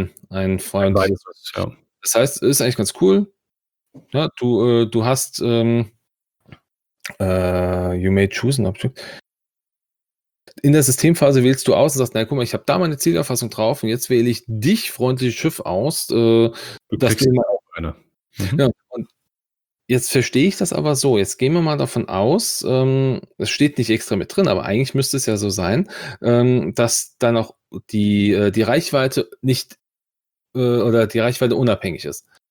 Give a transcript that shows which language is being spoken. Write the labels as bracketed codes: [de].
[de] Ein freundliches Schiff. Ja. Das heißt, ist eigentlich ganz cool. Ja, du hast. [en] You may choose an object. [de] In der Systemphase wählst du aus und sagst, na guck mal, ich habe da meine Zielerfassung drauf und jetzt wähle ich dich, freundliches Schiff, aus. Du kriegst immer auch eine. Mhm. Ja, und jetzt verstehe ich das aber so. Jetzt gehen wir mal davon aus, es steht nicht extra mit drin, aber eigentlich müsste es ja so sein, dass dann auch die Reichweite nicht oder die Reichweite unabhängig ist.